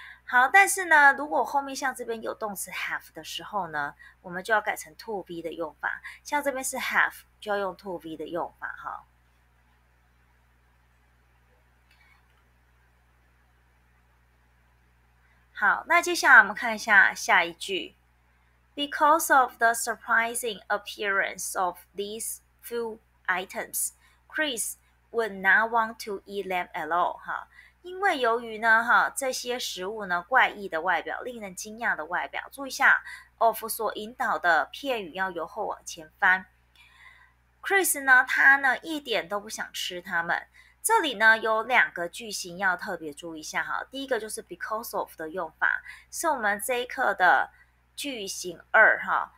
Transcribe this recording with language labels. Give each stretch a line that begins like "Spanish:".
Chinese: 好，但是呢如果后面像这边有动词 have 的时候呢，我们就要改成 to be 的用法，像这边是 have 就要用 to be 的用法哈。好，那接下来我们看一下下一句。
English: Because of the surprising appearance of these few items, Chris would not want to eat them at all.
Chinese: 好，因为由于呢哈这些食物呢怪异的外表，令人惊讶的外表，注意一下 of 所引导的片语要由后往前翻。 Chris 呢他呢一点都不想吃它们。这里呢有两个句型要特别注意一下哈，第一个就是 because of 的用法，是我们这一课的句型二哈。